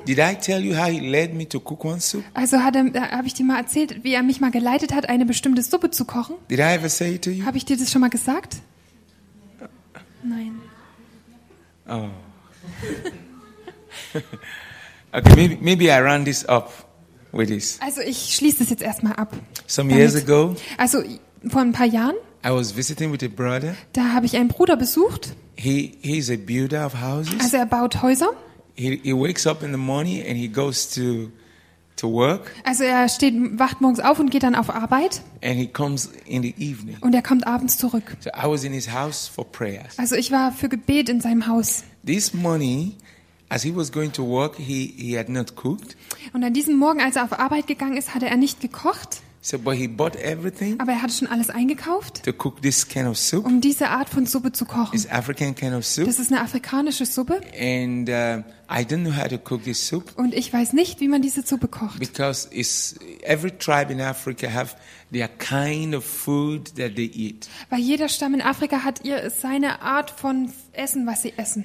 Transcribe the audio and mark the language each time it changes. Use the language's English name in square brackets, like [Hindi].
[English] Did I tell you how he led me to cook one soup? [German] Also habe ich dir mal erzählt, wie er mich mal geleitet hat, eine bestimmte Suppe zu kochen? [English] Did I ever say it to you? [German] Habe ich dir das schon mal gesagt? Nein. Oh. [English] Okay, maybe I round this up. [German] Also ich schließe das jetzt erstmal ab. [English] Some years ago, [German] also vor ein paar Jahren. [English] I was visiting with a brother. [German] Da habe ich einen Bruder besucht. [English] He is a builder of houses. [German] Also er baut Häuser. [English] He wakes up in the morning and he goes to work. [German] Also er steht wacht morgens auf und geht dann auf Arbeit. [English] And he comes in the evening. [German] Und er kommt abends zurück. [English] So I was in his house for prayers. [German] Also ich war für Gebet in seinem Haus. [English] This morning. As he was going to work, he had not cooked. [German] Und an diesem Morgen, als er auf Arbeit gegangen ist, hatte er nicht gekocht. [English] So, but he bought everything. [German] Aber er hatte schon alles eingekauft. [English] To cook this kind of soup. [German] Um diese Art von Suppe zu kochen. [English] It's African kind of soup. [German] Das ist eine afrikanische Suppe. [English] And I don't know how to cook this soup. [German] Und ich weiß nicht, wie man diese Suppe kocht. [English] Because it's every tribe in Africa have their kind of food that they eat. [German] Weil jeder Stamm in Afrika hat seine Art von Essen, was sie essen.